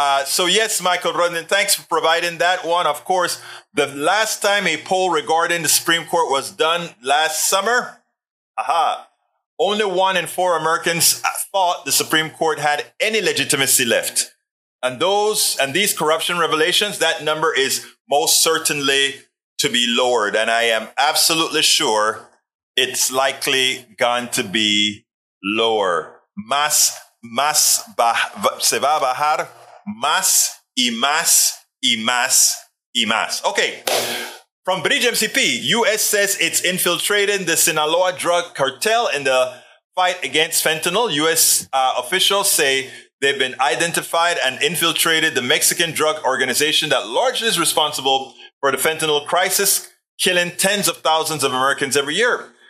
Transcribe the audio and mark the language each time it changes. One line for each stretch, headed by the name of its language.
English: So yes, Michael Rudden, thanks for providing that one. Of course, the last time a poll regarding the Supreme Court was done last summer, only 1 in 4 Americans thought the Supreme Court had any legitimacy left. And these corruption revelations, that number is most certainly to be lowered. And I am absolutely sure it's likely going to be lower.
Spanish: Se va a bajar más y más y más y más. Okay.
English: From British MCP, U.S. says it's infiltrating the Sinaloa drug cartel in the fight against fentanyl. U.S. Officials say they've been identified and infiltrated the Mexican drug organization that largely is responsible for the fentanyl crisis, killing tens of thousands of Americans every year.